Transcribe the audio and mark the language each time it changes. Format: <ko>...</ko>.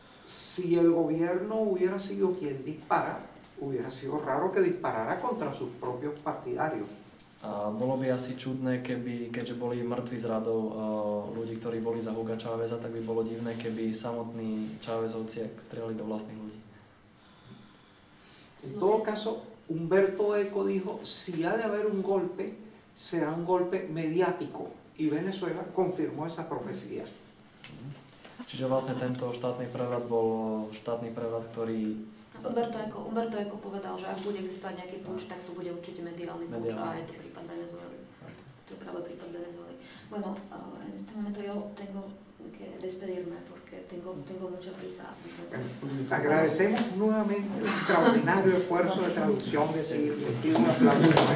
<es>Si el gobierno hubiera sido quien dispara, hubiera sido raro que disparara contra sus propios partidarios.</es> <sk>A bolo by asi čudné, keďže boli mŕtvi z radov ľudí, ktorí boli za Huga Cháveza, tak by bolo divné, keby samotní Chávezovci strieľali do vlastných ľudí.</sk> <es>En todo caso, Umberto Eco dijo, si ha de haber un golpe, será un golpe mediático. Y Venezuela confirmó esa profecía.</es> <sk>Čiže vlastne tento štátny prevrat bol štátny prevrat, ktorý... Umberto Eco povedal, že ak bude existovať nejaký púč, tak to bude určite mediálny púč a je to prípad Venezuely. To je práve prípad Venezuely.</sk> <es>Bueno, en este momento yo tengo que despedirme, porque tengo mucha prisa. Agradecemos nuevamente el extraordinario esfuerzo de traducción de seguir metido en la plaza.</es>